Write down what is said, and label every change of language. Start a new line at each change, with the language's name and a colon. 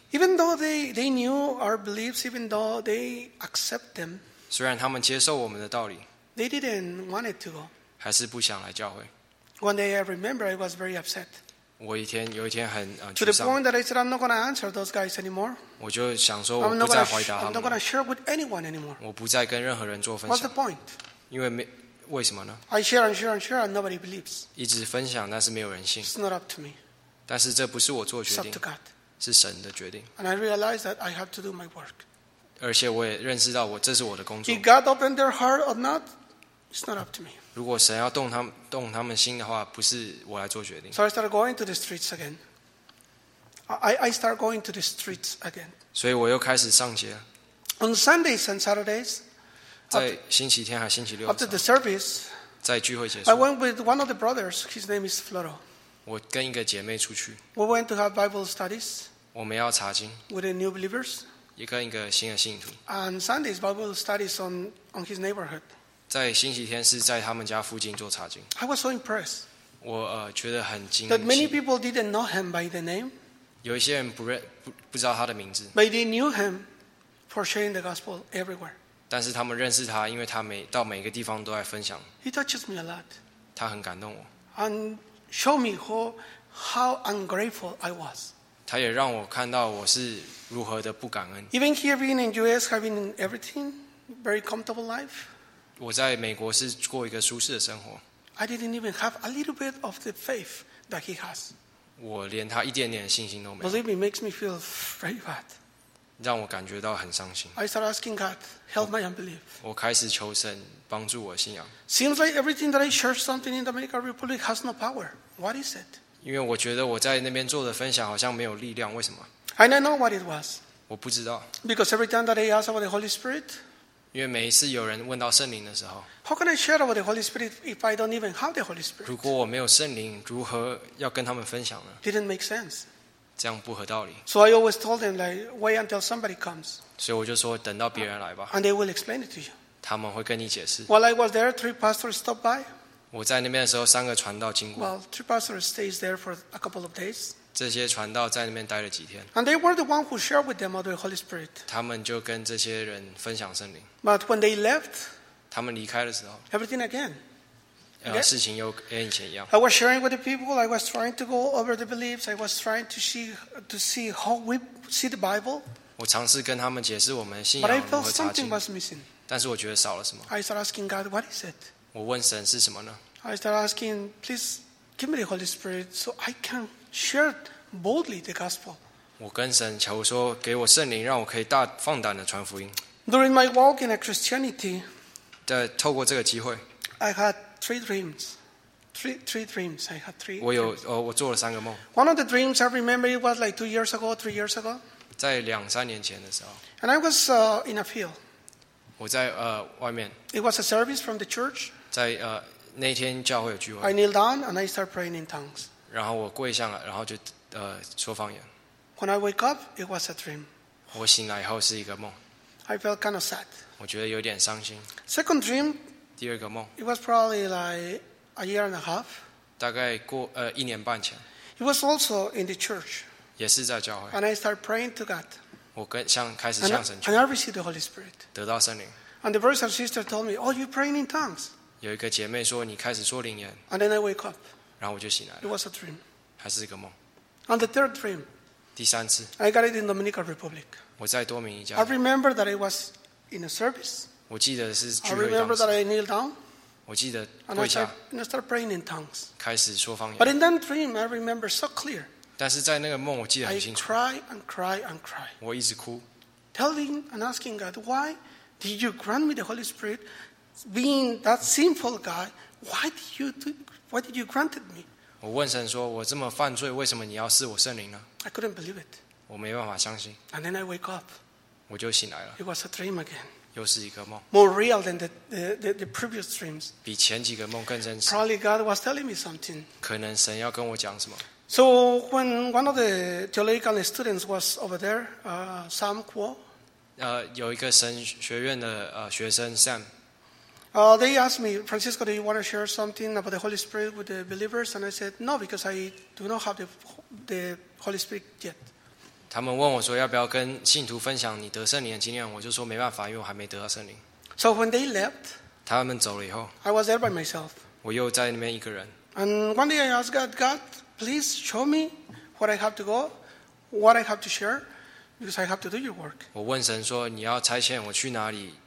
English: Even though they knew our beliefs, even though they accept them.
Chinese: 虽然他们接受我们的道理。
English: They didn't want it to go.
Chinese: 还是不想来教会。
English: One day I remember I was very upset.
Chinese: 我有一天很沮丧。
English: To the point that I said I'm not going to answer those guys anymore.
Chinese: 我就想说我不再回答他们。
English: I'm not going to share with anyone anymore.
Chinese: 我不再跟任何人做分享。
English: What's the point?
Chinese: 因为为什么呢
English: ？I share and share and share and nobody believes.
Chinese: 一直分享，但是没有人信。
English: It's not up to me.
Chinese: 但是这不是我做决定。
English: It's up to God.
Chinese: 是神的决定。
English: And I realized that I have to do my work.
Chinese: 而且我也认识到我这是我的工作。
English: If God opened their heart or not, it's not up to me.
Chinese: 如果神要动他们心的话，不是我来做决定。
English: So I started going to the streets again. I start going to the streets again.
Chinese: 所以我又开始上街。
English: On Sundays and Saturdays.
Chinese: 在星期天和星期六。
English: After the service.
Chinese: 在聚会结束。
English: I went with one of the brothers. His name is Floro.
Chinese: 我跟一个姐妹出去。
English: We went to have Bible studies.
Chinese: 我们要查经。
English: With the new believers.
Chinese: 也跟一个新的信徒。
English: And Sundays Bible studies on his neighborhood.
Chinese: 在星期天是在他们家附近做查经。
English: I was so impressed.
Chinese: 我觉得很惊奇。
English: That many people didn't know him by the name.
Chinese: 有一些人不知道他的名字。
English: But they knew him for sharing the gospel everywhere.
Chinese: 但是他们认识他，因为他到每个地方都在分享。
English: He touches me a lot.
Chinese: 他很感动我。
English: And show me how ungrateful I was.
Chinese: 他也让我看到我是如何的不感恩。
English: Even here being in US, having everything, very comfortable life.
Chinese: 我在美国是过一个舒适的生活。
English: I didn't even have a little bit of the faith that he has.
Chinese: 我连他一点点的信心都没有。
English: Believe me, makes me feel very bad.
Chinese: 让我感觉到很伤心。
English: I start asking God, help my unbelief.
Chinese: 我开始求神。帮助我信仰。
English: Seems like everything that I share something in the American Republic has no power. What is it?
Chinese: 因为我觉得我在那边做的分享好像没有力量，为什么？
English: And I know what it was.
Chinese: 我不知道。
English: Because every time that I ask about the Holy Spirit,
Chinese: 因为每一次有人问到圣灵的时候，
English: How can I share about the Holy Spirit if I don't even have the Holy Spirit?
Chinese: 如果我没有圣灵，如何要跟他们分享呢？
English: Didn't make sense.
Chinese: 这样不合道理。
English: So I always told them like, wait until somebody comes.
Chinese: 所以我就说等到别人来吧。
English: And they will explain it to you.
Chinese: 他们会跟你解释。
English: While I was there, three pastors stopped by.
Chinese: 我在那边的时候，三个传道经过。
English: Well, three pastors stayed there for a couple of days.
Chinese: 这些传道在那边待了几天。
English: And they were the ones who shared with them about the Holy Spirit.
Chinese: 他们就跟这些人分享圣灵。
English: But when they left,
Chinese: 他们离开的时候，
English: everything again.
Chinese: 事情又跟以前一样。
English: I was sharing with the people. I was trying to go over the beliefs. I was trying to see how we see the Bible.
Chinese: 我尝试跟他们解释我们的信仰如何查经。
English: But I felt something was missing.
Chinese: 但是我觉得少了什么。
English: I start asking God, what is it?
Chinese: 我问神是什么呢？
English: I start asking, please give me the Holy Spirit so I can share boldly the gospel.
Chinese: 我跟神求说，给我圣灵，让我可以大放胆的传福音。
English: During my walk in a Christianity,
Chinese: 透过这个机会，
English: I had three dreams. Three dreams. I had three.
Chinese: 我做了三个梦。
English: One of the dreams I remember it was like 2 years ago, 3 years ago.
Chinese: 在两三年前的时候。
English: And I was in a field.
Chinese: 我在外面。
English: It was a service from the church.
Chinese: 在那天教会有聚会。
English: I kneel down and I start praying in tongues.
Chinese: 然后我跪下了，然后就说方言。
English: When I wake up, it was a dream.
Chinese: 我醒来以后是一个梦。
English: I felt kind of sad.
Chinese: 我觉得有点伤心。
English: Second dream.
Chinese: 第二个梦。
English: It was probably like a year and a half.
Chinese: 大概过一年半前。
English: It was also in the church.
Chinese: 也是在教会。
English: And I start praying to God.
Chinese: 我开始向神求。
English: And I received the Holy Spirit.
Chinese: 得到圣灵。
English: And the brother and sister told me, oh, you're praying in tongues.
Chinese: 有一个姐妹说你开始说灵言。
English: And then I wake up.
Chinese: 然后我就醒来了。
English: It was a dream.
Chinese: 还是一个梦。
English: And the third dream.
Chinese: 第三次。
English: I got it in Dominican Republic.
Chinese: 我在多米尼加。
English: I remember that I was in a service.
Chinese: 我记得是聚会。
English: I remember that I kneeled down.
Chinese: 我记得跪下。
English: And I started praying in tongues.
Chinese: 开始说方言。
English: But in that dream, I remember so clear.
Chinese: 但是在那个梦，我记得很清楚。
English: I cry and cry and cry.
Chinese: 我一直哭。
English: Telling and asking God, why did you grant me the Holy Spirit? Being that sinful guy, why did you grant it me?
Chinese: 我问神说，我这么犯罪，为什么你要赐我圣灵呢？
English: I couldn't believe it.
Chinese: 我没办法相信。
English: And then I wake up.
Chinese: 我就醒来了。
English: It was a dream again.
Chinese: 又是一个梦。
English: More real than the previous dreams.
Chinese: 比前几个梦更真实。
English: Probably God was telling me something.
Chinese: 可能神要跟我讲什么。
English: So when one of the theological students was over there, Sam Kuo,
Chinese: 有一个神学院的学生 Sam.
English: They asked me, Francisco, do you want to share something about the Holy Spirit with the believers? And I said, no, because I do not have the Holy Spirit yet.
Chinese: 他们问我说要不要跟信徒分享你得圣灵的经验，我就说没办法，因为我还没得到圣灵。
English: So when they left,
Chinese: 他们走了以后，
English: I was there by myself.
Chinese: 我又在那边一个人。
English: And one day I asked God. Please show me what I have to go, what I have to share, because I have to do your work.
Chinese: 我问神说，你要差遣我去哪里？